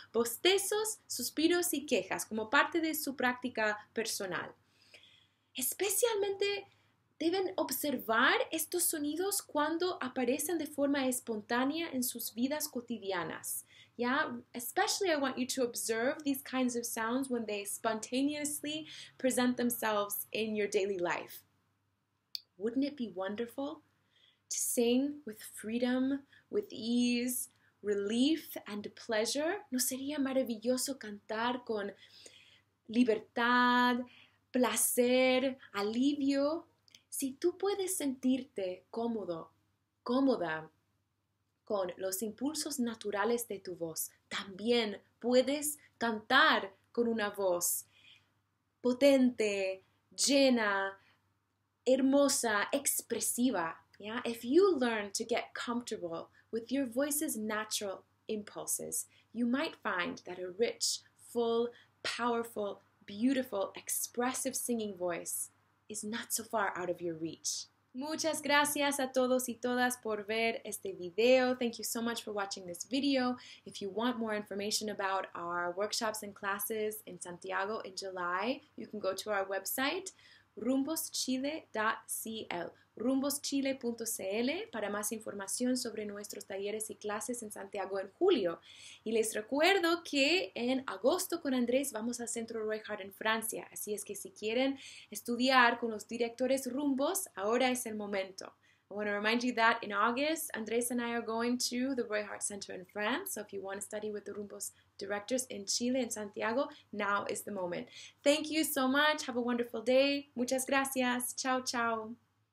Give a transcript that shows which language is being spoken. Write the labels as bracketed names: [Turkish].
[Spanish] Bostezos, suspiros y quejas como parte de su práctica personal. Especialmente deben observar estos sonidos cuando aparecen de forma espontánea en sus vidas cotidianas. [English] Yeah, especially I want you to observe these kinds of sounds when they spontaneously present themselves in your daily life. Wouldn't it be wonderful to sing with freedom, with ease, relief and pleasure. [Spanish] ¿No sería maravilloso cantar con libertad, placer, alivio? Si tú puedes sentirte cómodo, cómoda con los impulsos naturales de tu voz, también puedes cantar con una voz potente, llena, hermosa, expresiva. [English] Yeah? If you learn to get comfortable with your voice's natural impulses, you might find that a rich, full, powerful, beautiful, expressive singing voice is not so far out of your reach. [Spanish] Muchas gracias a todos y todas por ver este video. [English] Thank you so much for watching this video. If you want more information about our workshops and classes in Santiago in July, you can go to our website, rumboschile.cl, rumboschile.cl, [Spanish] para más información sobre nuestros talleres y clases en Santiago en julio. Y les recuerdo que en agosto con Andrés vamos al Centro Reichardt en Francia, así es que si quieren estudiar con los directores Rumbos, ahora es el momento. [English] I want to remind you that in August, Andrés and I are going to the Reichardt Center in France. So if you want to study with the Rumbos directors in Chile, in Santiago, now is the moment. Thank you so much. Have a wonderful day. [Spanish] Muchas gracias. Chao, chao.